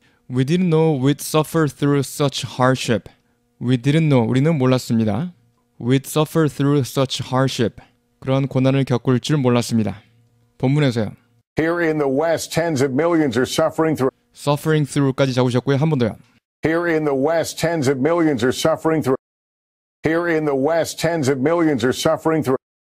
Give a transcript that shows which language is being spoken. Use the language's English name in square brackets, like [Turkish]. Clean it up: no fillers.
[English] We didn't know we'd suffer through such hardship. We didn't know, [Korean] 우리는 몰랐습니다. [English] We'd suffer through such hardship. [Korean] 그러한 고난을 겪을 줄 몰랐습니다. 본문에서요. [English] Here in the West, tens of millions are suffering through. Suffering through [Korean] 까지 잡으셨고요. 한 번 더요. [English] Here in the West, tens of millions are suffering through. Here in the West, tens of millions are suffering through.